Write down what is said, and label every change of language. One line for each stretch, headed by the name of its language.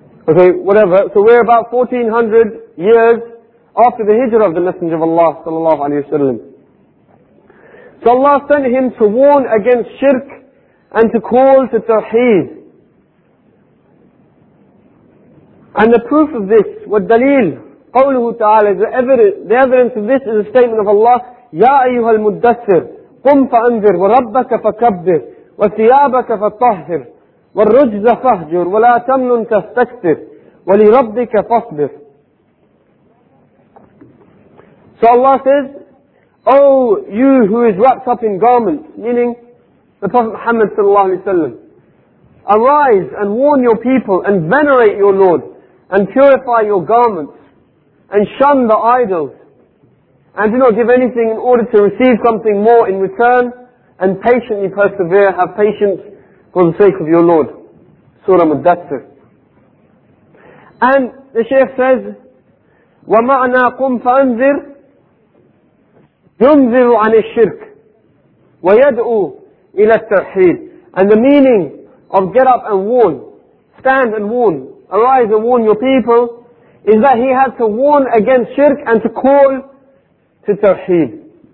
English: Okay, whatever. So we're about 1400 years after the hijrah of the Messenger of Allah sallallahu alayhi wa sallam. So Allah sent him to warn against shirk and to call to tawheed. And the proof of this,
Arabic: wad-daleel, قوله تعالى,
English: the evidence of this is a statement of Allah,
Arabic: يَا أَيُّهَا الْمُدَّثِّرُ قُمْ فَأَنْذِرْ وَرَبَّكَ فَكَبِّرْ وَثِيَابَكَ فَطَّهِّرْ وَالرُّجْزَ فَهْجُرْ وَلَا تَمْنُنْ تَسْتَكْثِرْ وَلِرَبِّكَ فَصْبِرْ.
English: So Allah says, oh, you who is wrapped up in garments, meaning The Prophet Muhammad sallallahu alayhi wa sallam, arise and warn your people and venerate your Lord and purify your garments and shun the idols and do not give anything in order to receive something more in return and patiently persevere, have patience for the sake of your Lord. Surah Muddathir. And the Shaykh says,
Arabic: وَمَعْنَا قُمْ فَأَنْذِرْ يُنْذِرُ عَنِ الشِّرْكِ وَيَدْعُوا إِلَى التَّرْحِيدِ.
English: And the meaning of get up and warn, stand and warn, arise and warn your people, is that he has to warn against shirk and to call to tawheed.